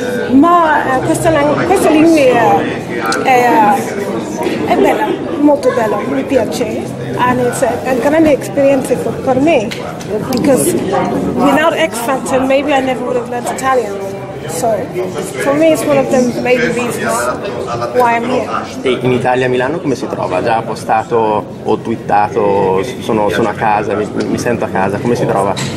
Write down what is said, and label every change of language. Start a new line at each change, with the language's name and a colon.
Italian: Ma questa lingua è bella, molto bella, mi piace.
English: And it's a
Italian: grande
English: experience
Italian: per me,
English: because without X Factor maybe I never would have learned Italian. So, for me it's one of the main reasons why I'm here.
Italian: E in Italia a Milano come si trova? Già postato o twittato, sono a casa, mi sento a casa, come si trova?